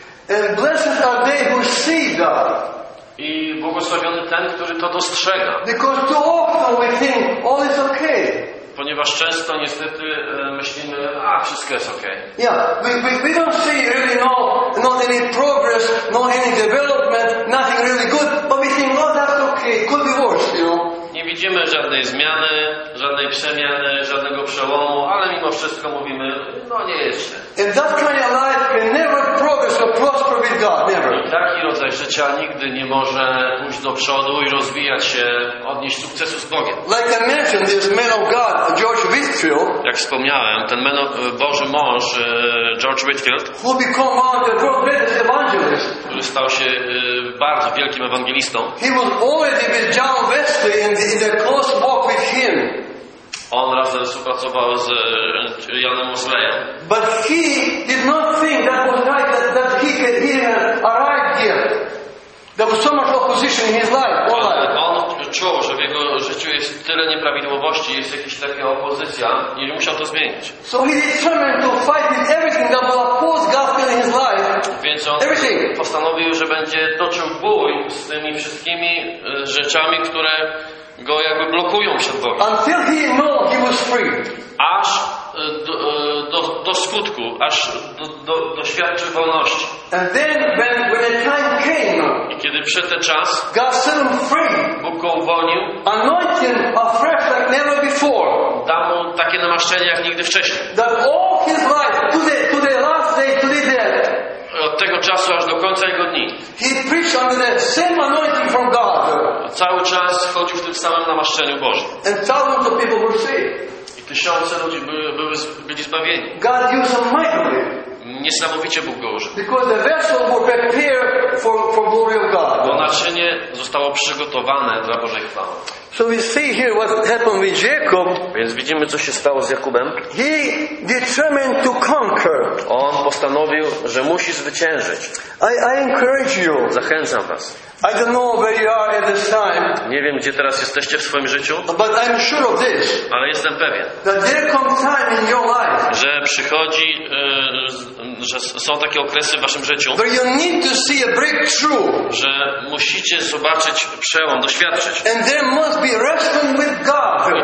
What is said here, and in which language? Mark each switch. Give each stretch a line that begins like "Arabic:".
English: And blessed are they who see God.
Polish: I błogosławiony ten, który to dostrzega.
English: Because too often we think all is okay.
Polish: Ponieważ często niestety myślimy, wszystko jest okay.
English: Yeah, we don't see really not any progress, not any development, nothing really good, but we think, oh, that's okay, could be worse, you know.
Polish: Nie widzimy żadnej zmiany, żadnej przemiany, żadnego przełomu, ale mimo wszystko mówimy, no nie jeszcze.
English: And that kind of life can never progress or prosper with God, never.
Polish: I taki rodzaj życia nigdy nie może pójść do przodu i rozwijać się, odnieść sukcesu z Bogiem.
English: Like I mentioned, this man of God, George Whitfield,
Polish: jak wspomniałem, ten Boży mąż, George Whitfield,
English: who became one of the world's greatest evangelists,
Polish: który stał się bardzo wielkim ewangelistą.
English: He was already with John Wesley in a close walk with him.
Polish: On razem współpracował z Janem Wesleyem.
English: But he did not think that was right, that he could even arrive here. There was so much opposition in his life.
Polish: On czuł, że w jego życiu jest tyle nieprawidłowości, jest jakaś taka opozycja, i musiał to zmienić.
English: So he determined to fight with everything that will oppose gospel in his life.
Polish: Więc on
English: everything.
Polish: Postanowił, że będzie toczył bój z tymi wszystkimi rzeczami, które go jakby blokują przed Bogiem.
English: Until he knew he was free.
Polish: Aż do skutku, aż doświadczył wolności.
English: And then when the time came,
Polish: i kiedy przyszedł ten czas,
English: God set him free.
Polish: Bóg go uwolnił.
English: Anointing afresh like never before.
Polish: Dał mu takie namaszczenie jak nigdy wcześniej.
English: That all his life, to the last day, to the death.
Polish: Od tego czasu czasu aż do końca jego dni.
English: He preached under the same anointing from God.
Polish: Cały czas chodził w tym samym namaszczeniu Bożym.
English: And thousands of people were saved.
Polish: I tysiące ludzi byli zbawieni.
English: God used him mightily.
Polish: Niesamowicie Bóg go użył.
English: Because the vessel was prepared for glory of God.
Polish: Bo naczynie zostało przygotowane dla Bożej chwały.
English: So we see here what happened with Jacob.
Polish: Więc widzimy, co się stało z Jakubem.
English: He determined to conquer.
Polish: On postanowił, że musi zwyciężyć.
English: I encourage you.
Polish: Zachęcam was.
English: I don't know where you are at this time.
Polish: Nie wiem, gdzie teraz jesteście w swoim życiu.
English: But I'm sure of this.
Polish: Ale jestem pewien.
English: That there comes time in your life.
Polish: Że przychodzi, że są takie okresy w waszym życiu.
English: Where you need to see a breakthrough.
Polish: Że musicie zobaczyć przełom, doświadczyć.
English: And there must be wrestling with God.